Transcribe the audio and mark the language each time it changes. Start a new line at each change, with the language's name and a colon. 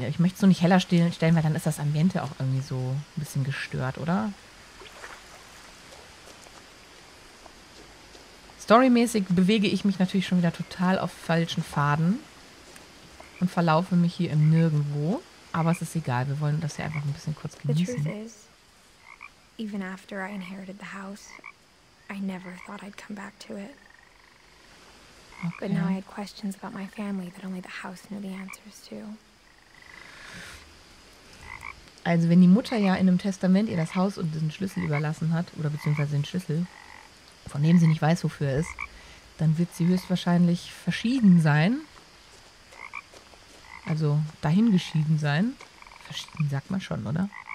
German: Ja, ich möchte es nur nicht heller stellen, weil dann ist das Ambiente auch irgendwie so ein bisschen gestört, oder? Storymäßig bewege ich mich natürlich schon wieder total auf falschen Faden und verlaufe mich hier im Nirgendwo. Aber es ist egal, wir wollen das hier einfach ein bisschen kurz genießen.
English: The truth is, even after I inherited the house, I never thought I'd come back to it. Okay. But now I had questions about my family that only the house knew the answers to.
German: Also wenn die Mutter ja in einem Testament ihr das Haus und den Schlüssel überlassen hat, oder beziehungsweise den Schlüssel, von dem sie nicht weiß, wofür er ist, dann wird sie höchstwahrscheinlich verschieden sein. Also dahingeschieden sein. Verschieden sagt man schon, oder?